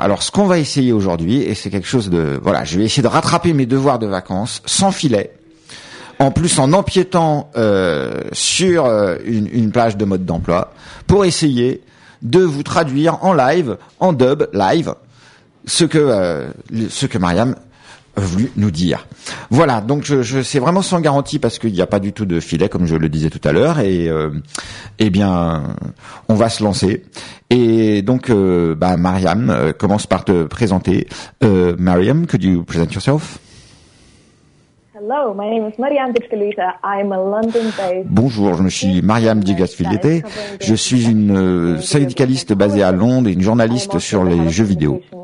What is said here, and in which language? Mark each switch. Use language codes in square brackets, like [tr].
[fr] Alors, ce qu'on va essayer aujourd'hui, et c'est quelque chose de... Voilà, je vais essayer de rattraper mes devoirs de vacances, sans filet, en plus en empiétant sur une plage de mode d'emploi, pour essayer de vous traduire en live, en dub, live, ce que Mariam... voulu nous dire. Voilà, donc je c'est vraiment sans garantie parce qu'il n'y a pas du tout de filet, comme je le disais tout à l'heure, et eh bien on va se lancer. Et donc bah Mariam, commence par te présenter. [en] Mariam, could you present yourself? Hello, my name is Mariam Dixfilite. I'm a London-based. [fr] Bonjour, je me suis Mariam Dixfilite. Je suis une syndicaliste basée à Londres et une journaliste sur les jeux vidéo.